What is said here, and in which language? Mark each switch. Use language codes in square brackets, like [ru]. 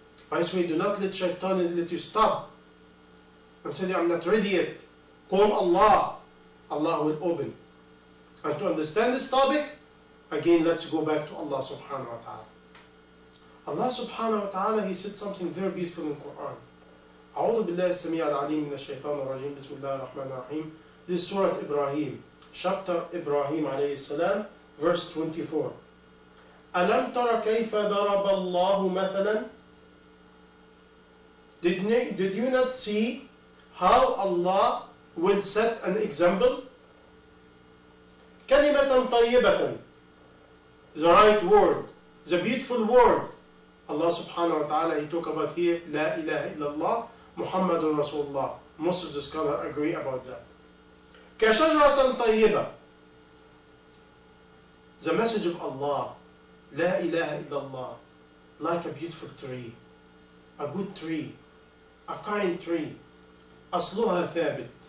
[en] By this way, do not let shaitan let you stop. And say, I'm not ready yet. Call Allah. Allah will open. And to understand this topic, again, let's go back to Allah subhanahu wa ta'ala. Allah subhanahu wa ta'ala, He said something very beautiful in the Quran. [ar] أعوذ بالله السميع العليم من الشيطان الرجيم بسم الله الرحمن الرحيم دي سورة إبراهيم شابتر إبراهيم عليه السلام [en] verse 24 [ar] ألم تر كيف ضرب الله مثلا [en] did you not see how Allah will set an example [ar] كلمة طيبة [en] the right word the beautiful word Allah subhanahu wa ta'ala He talk about here [ar] لا إله إلا الله محمد رسول الله. [en] Most of the scholars agree about that. [ar] كشجرة طيبة. [en] The message of Allah. [ar] لا إله إلا الله. [en] Like a beautiful tree. A good tree. A kind tree. [ar] أصلها ثابت.